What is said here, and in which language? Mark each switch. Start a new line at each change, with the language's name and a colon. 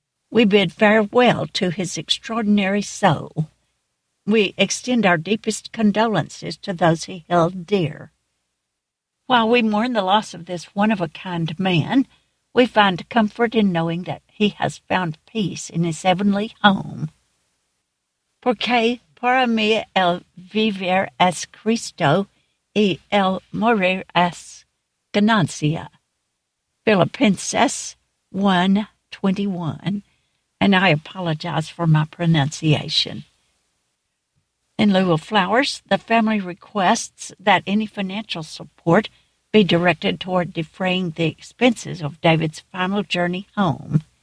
English: We bid farewell to his extraordinary soul. We extend our deepest condolences to those he held dear. While we mourn the loss of this one-of-a-kind man, we find comfort in knowing that he has found peace in his heavenly home.
Spanish: Porque para mí el vivir es Cristo y el morir es ganancia. Filipenses 1:21.
English: And I apologize for my pronunciation. In lieu of flowers, the family requests that any financial support be directed toward defraying the expenses of David's final journey home.